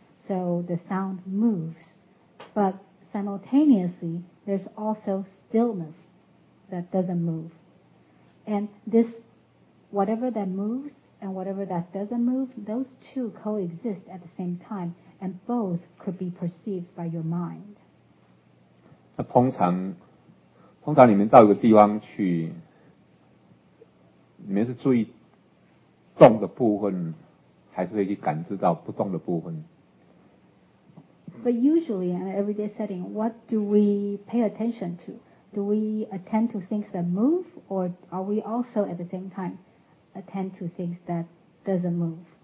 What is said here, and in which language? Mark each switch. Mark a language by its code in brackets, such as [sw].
[en] So the sound moves. But simultaneously, there's also stillness that doesn't move. And this, whatever that moves and whatever that doesn't move, those two coexist at the same time. And both could be perceived by your mind. [zh] 那通常你们到一个地方去，你们是注意动的部分，还是会去感知到不动的部分 [en] ？But usually in an everyday setting, what do we pay attention to? Do we attend to things that move, or are we also at the same time attend to things that doesn't move?